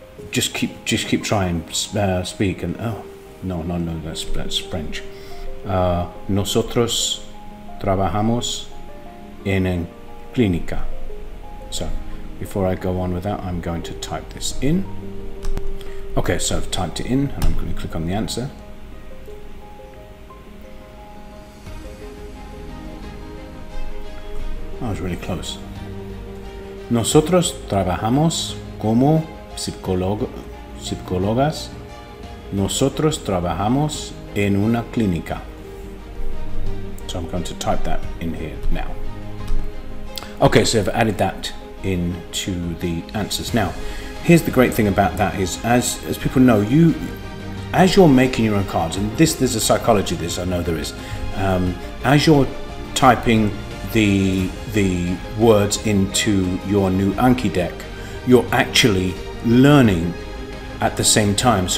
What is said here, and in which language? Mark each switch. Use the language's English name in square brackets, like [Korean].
[English] Just keep trying, speak, and oh. No, that's French. [Spanish] Nosotros trabajamos en clínica. [English] So, before I go on with that, I'm going to type this in. Okay, so I've typed it in, and I'm going to click on the answer. I was really close. [Spanish] Nosotros trabajamos como psicólogas. Nosotros trabajamos en una clínica. [English] So I'm going to type that in here now. Okay, so I've added that into the answers. Now, here's the great thing about that is, as people know, as you're making your own cards, and there's a psychology to this, I know there is, as you're typing the words into your new Anki deck, you're actually learning at the same time.